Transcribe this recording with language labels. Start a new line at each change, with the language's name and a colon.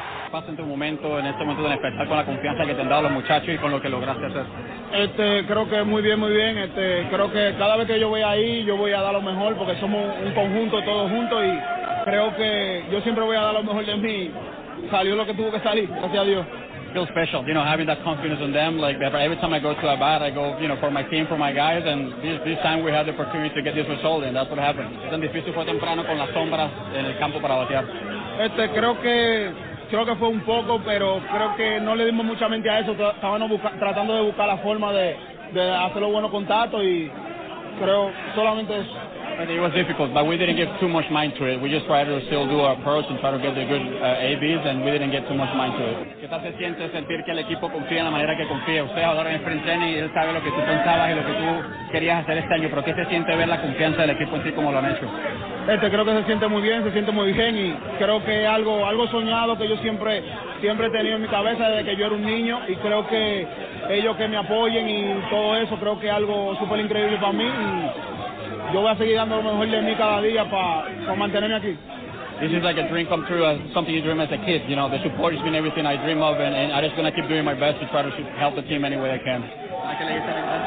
Spanish: Pasa en tu momento, en este momento de despertar con la confianza que te han dado los muchachos y con lo que lograste hacer. Creo que muy bien, muy bien. Creo que cada vez que yo voy ahí, yo voy a dar lo mejor porque somos un conjunto, todos juntos, y creo que yo siempre voy a dar lo mejor de mí. Salió lo que tuvo que salir, gracias a Dios.
English: Feel special, you know, having that confidence in them. Like every time I go to a bat, I go, you know, for my team, for my guys, and this time we had the opportunity to get this result, and that's what happened.
Spanish: Es tan difícil fue temprano con las sombras en el campo para batear. Creo que fue un poco, pero creo que no le dimos mucha mente a eso. Estábamos tratando de buscar la forma de hacer los buenos contactos, y creo solamente eso.
English: It was difficult, but we didn't give too much mind to it. We just tried to still do our approach and try to get the good ABs, and we didn't get too much mind to it.
Spanish: ¿Qué tal se siente sentir que el equipo confía en la manera que confía? Usted ahora en frente y él sabe lo que tú pensabas y lo que tú querías hacer este año, pero ¿qué se siente ver la confianza del equipo en sí como lo han hecho? Creo que se siente muy bien, y creo que algo soñado que yo siempre he tenido en mi cabeza desde que yo era un niño, y creo que ellos que me apoyen y todo eso, creo que algo súper increíble para mí, y yo voy a seguir dando lo mejor de mí cada día para mantenerme aquí.
English: This is like a dream come true, something you dream as a kid. You know, the support has been everything I dream of, and I'm just going to keep doing my best to try to help the team any way I can.